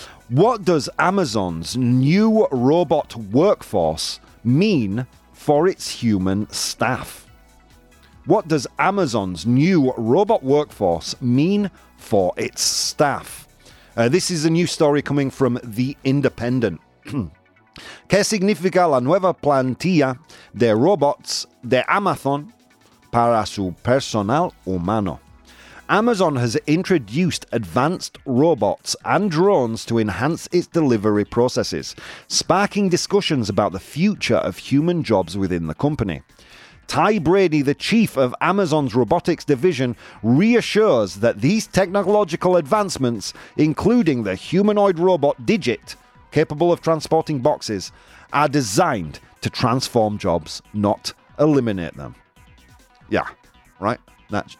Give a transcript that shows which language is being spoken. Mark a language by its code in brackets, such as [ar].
[en] What does Amazon's new robot workforce mean for its human staff? What does Amazon's new robot workforce mean for its staff? This is a new story coming from The Independent. [es] ¿Qué significa la nueva plantilla de robots de Amazon para su personal humano? [en] Amazon has introduced advanced robots and drones to enhance its delivery processes, sparking discussions about the future of human jobs within the company. Ty Brady, the chief of Amazon's robotics division, reassures that these technological advancements, including the humanoid robot Digit, capable of transporting boxes, are designed to transform jobs, not eliminate them. Yeah, right? snatched.